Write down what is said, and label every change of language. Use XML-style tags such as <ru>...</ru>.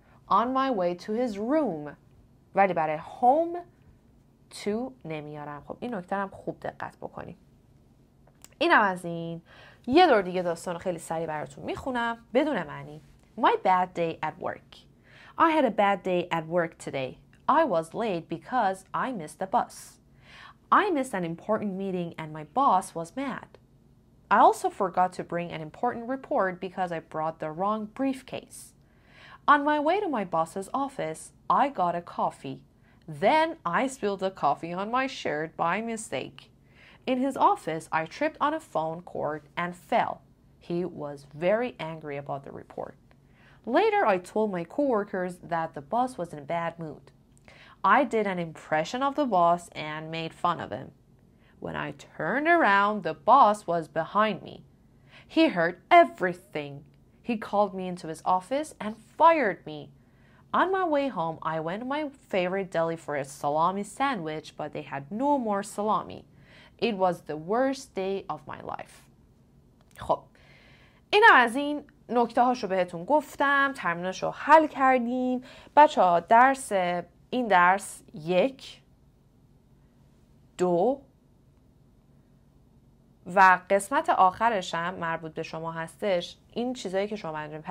<en>On my way to his room.</en> <fa>ولی برای</fa> <en>home to</en> <fa>نمیارم. خب این نکته هم خوب دقت بکنیم. اینم از این. یه دور دیگه داستان رو خیلی سریع براتون میخونم بدون معنی.</fa> <en>My bad day at work. I had a bad day at work today. I was late because I missed the bus. I missed an important meeting and my boss was mad. I also forgot to bring an important report because I brought the wrong briefcase. On my way to my boss's office, I got a coffee. Then I spilled the coffee on my shirt by mistake. In his office, I tripped on a phone cord and fell. He was very angry about the report. Later, I told my coworkers that the boss was in a bad mood. I did an impression of the boss and made fun of him. When I turned around, the boss was behind me. He heard everything. He called me into his office and fired me. On my way home, I went to my favorite deli for a salami sandwich, but they had no more salami. It was the worst day of my life.</en> <fa>خب اینا از این نکته هاشو بهتون گفتم، ترمیناشو حل کردیم. بچه ها درس این درس 1، 2 و قسمت آخرش هم مربوط به شما هستش، این چیزایی که شما انجام.</fa>